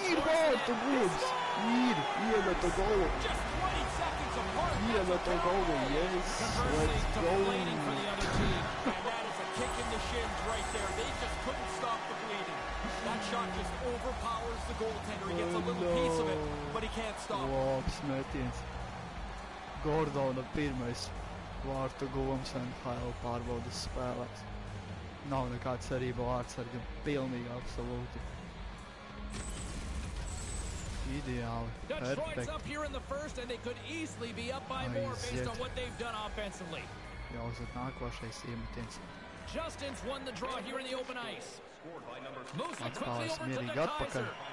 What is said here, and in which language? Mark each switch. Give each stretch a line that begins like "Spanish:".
English: Need ball to Woods. Need. Need a goal. Just 20 seconds apart. Need a goal. Yes. Let's go. And that is a kick in the shins right there. They just couldn't stop the bleeding. That shot just overpowers the goaltender. He gets a little piece of it, but he can't stop.
Latvian: Labs metiens. Gordona pirmais vārtu guvums NHL pārbaudes spēlēs. Nav nekāda cerība vārtsargam. Pilnīgi, absolūti. Ideāli. Perfekti.
English: Detroit's up here in the first, and they could easily be up by more based on what they've done offensively.
Latvian: Jau uzat nākošais iemetiens.
English: Justin's won the draw here in the open ice.
Latvian: Atpāvis mierīgi atpakaļ.